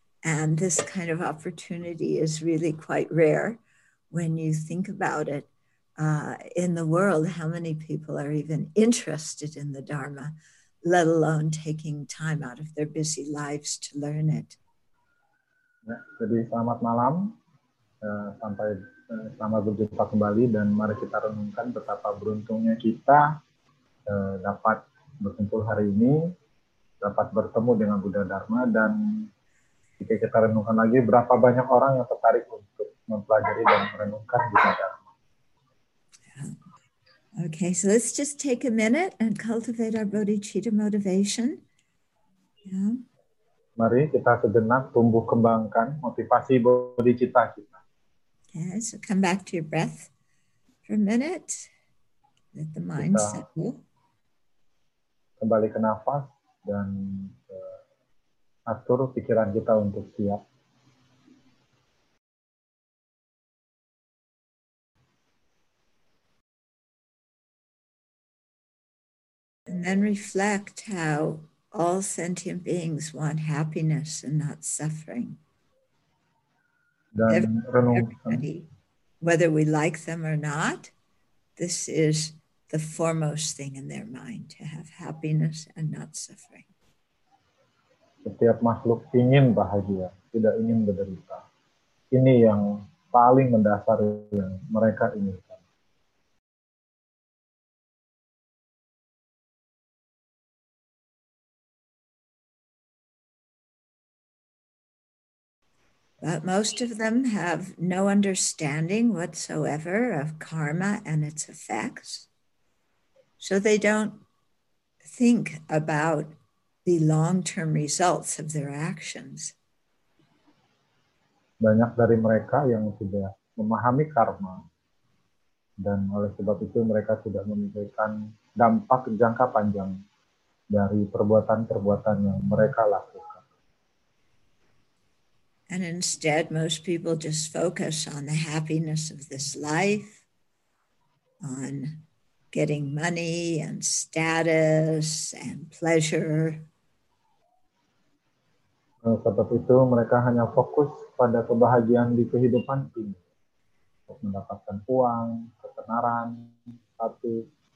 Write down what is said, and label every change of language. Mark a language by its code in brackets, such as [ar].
[en] And this kind of opportunity is really quite rare when you think about it in the world, how many people are even interested in the Dharma, let alone taking time out of their busy lives to learn it. [id] Ya, jadi selamat malam, sampai selamat berjumpa kembali, dan mari kita renungkan betapa beruntungnya kita dapat berkumpul hari ini, dapat bertemu dengan Buddha Dharma, dan jika kita renungkan lagi, berapa banyak orang yang tertarik untuk mempelajari dan merenungkan Buddha Dharma. [en] Okay, so let's just take a minute and cultivate our bodhicitta motivation. Yeah. [id] Mari kita sejenak tumbuh kembangkan motivasi bodhicitta kita. [en] Okay, so come back to your breath for a minute. Let the mind [id] kita [en] settle. [id] Kembali ke nafas dan atur pikiran kita untuk siap. [en] And then reflect how all sentient beings want happiness and not suffering. [id] Dan renungkan, [en] whether we like them or not, this is the foremost thing in their mind, to have happiness and not suffering. [id] Setiap makhluk ingin bahagia, tidak ingin menderita. Ini yang paling mendasar yang mereka inginkan. [en] But most of them have no understanding whatsoever of karma and its effects. So they don't think about the long-term results of their actions. [id] Banyak dari mereka yang sudah memahami karma, dan oleh sebab itu mereka sudah memikirkan dampak jangka panjang dari perbuatan-perbuatan yang mereka lakukan. [en] And instead, most people just focus on the happiness of this life, on getting money and status and pleasure. [id] Sebab itu mereka hanya fokus pada kebahagiaan di kehidupan ini, untuk mendapatkan uang, ketenaran, status.